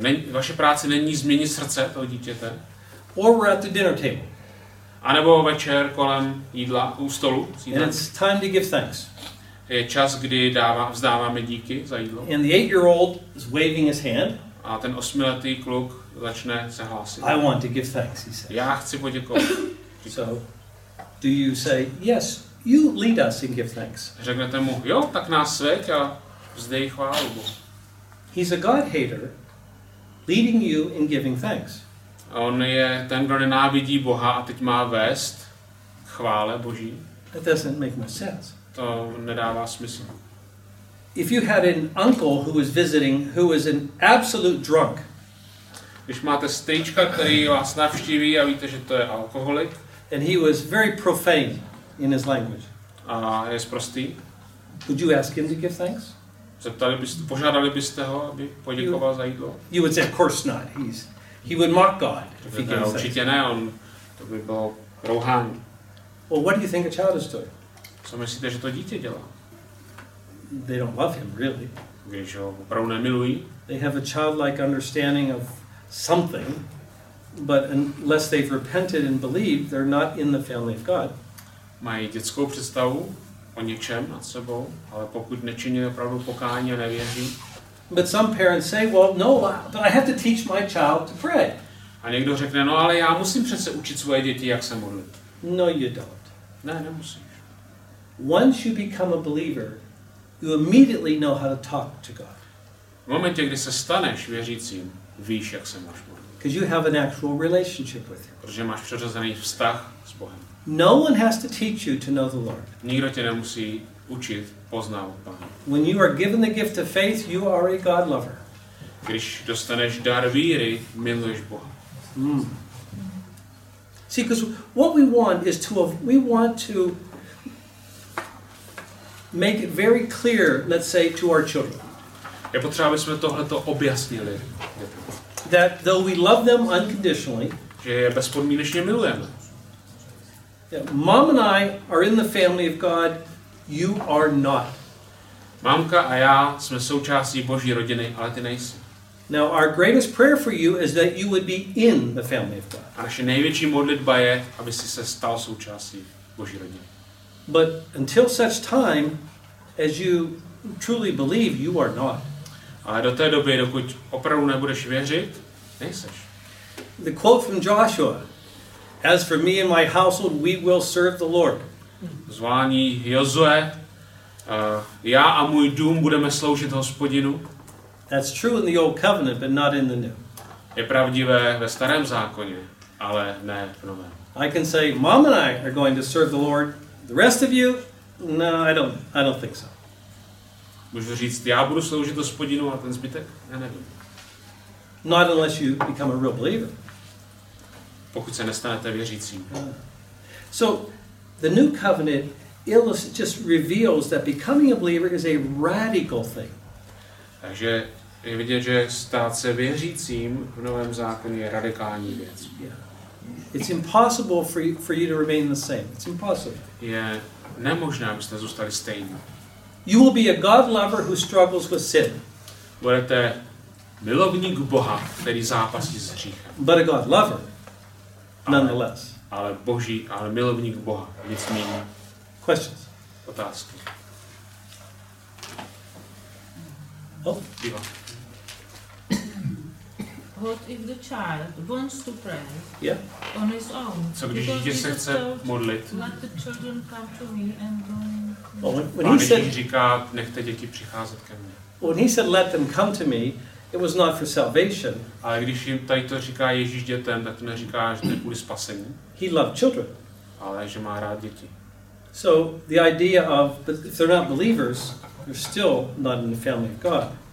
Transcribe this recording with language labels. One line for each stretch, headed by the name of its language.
Czech: Vaše práce není změnit srdce toho dítěte.
English: Or we're at the dinner table.
Czech: A nebo večer kolem jídla u stolu.
English: And it's time to give thanks.
Czech: Je čas, kdy vzdáváme díky za jídlo.
English: And the 8-year-old is waving his hand.
Czech: A ten 8letý kluk začne se hlásit.
English: I want to give thanks, he says.
Czech: Já chci poděkovat.
English: So, do you say yes? You lead us in give thanks.
Czech: Řeknete mu, jo, tak nás sveď a vzdej chválu Bohu.
English: He's a God hater, leading you in giving thanks.
Czech: On je ten, kdo nenávidí Boha a teď má vést chvále Boží.
English: That doesn't make much sense.
Czech: To nedává smysl.
English: If you had an uncle who was visiting, who was an absolute drunk.
Czech: Když máte strýčka, který vás navštíví a víte, že to je alkoholik.
English: And he was very profane in his language.
Czech: A je sprostý.
English: Would you ask him to give thanks?
Czech: Požádali byste ho, aby poděkoval za jídlo?
English: You would say, of course not. He would mock God.
Czech: Určitě ne, on to by bylo rouhání.
English: Well, what do you think a child is doing?
Czech: Co myslíte, že to dítě dělá?
English: They don't love him, really.
Czech: Když ho opravdu nemilují.
English: They have a childlike understanding of something. But unless they've repented and believed, they're not in the family of God.
Czech: Mají dětskou představu o něčem nad sebou, ale pokud nečiní opravdu pokání a nevěří.
English: But some parents say, well, no, but I have to teach my child to pray.
Czech: A někdo řekne, no, ale já musím přece učit svoje děti, jak se modlit.
English: No, you don't.
Czech: Ne, nemusíš.
English: Once you become a believer, you immediately know how to talk to God.
Czech: V momentě, kdy se staneš věřícím, víš, jak se máš modlit.
English: Because you have an actual relationship with him.
Czech: Protože máš přirozený vztah s Bohem.
English: No one has to teach you to know the Lord.
Czech: Nikdo tě nemusí učit poznávat Pána.
English: When you are given the gift of faith, you are a God lover.
Czech: Když dostaneš dar víry, miluješ Boha. Mm.
English: See, because what we want is to we want to make it very clear, let's say, to our children.
Czech: Je potřeba, aby jsme tohleto objasnili.
English: That though we love them unconditionally,
Czech: že je bezpodmínečně milujeme.
English: That mom and I are in the family of God, you are not.
Czech: Mamka a já jsme součástí Boží rodiny, ale ty nejsi.
English: Now our greatest prayer for you is that you would be in the family of God.
Czech: A naše největší modlitba je, aby jsi se stal součástí Boží rodiny.
English: But until such time as you truly believe, you are not.
Czech: Ale do té doby, dokud opravdu nebudeš věřit, nejseš.
English: The quote from Joshua: As for me and my household, we will serve the Lord.
Czech: Zvání Josue: Já a můj dům budeme sloužit Hospodinu.
English: That's true in the old covenant, but not in the new.
Czech: Je pravdivé ve starém zákoně, ale ne v novém.
English: I can say, Mom and I are going to serve the Lord. The rest of you, no, I don't think so.
Czech: Můžu říct, já budu sloužit Hospodinu a ten zbytek? Já nevím.
English: Not unless you become a real believer.
Czech: Pokud se nestanete věřícím.
English: So, the new covenant just reveals that becoming a believer is a radical thing.
Czech: Takže je vidět, že stát se věřícím v novém zákoně je radikální věc.
English: Yeah. It's impossible for you to remain the same. It's impossible.
Czech: Je nemožné, abyste zůstali stejní.
English: You will be a God lover who struggles with sin.
Czech: Budete milovník Boha, který zápasí s hříchem.
English: But a God lover, nonetheless.
Czech: Ale milovník Boha, nic méně.
English: Questions.
Czech: Otázky. Oh.
English: What if the child wants to pray? Yeah. On his own.
Czech: Co když dítě se chce modlit?
English: Let the children come to me and go. When he said, "Let them come to me," it was not for salvation.
Czech: Ale když jim tady to říká Ježíš dětem, tak to neříká, že to je kvůli spasení.
English: He loved children.
Czech: Ale že má rád děti.
English: So the idea of, but if they're not believers, they're still not in the family of God.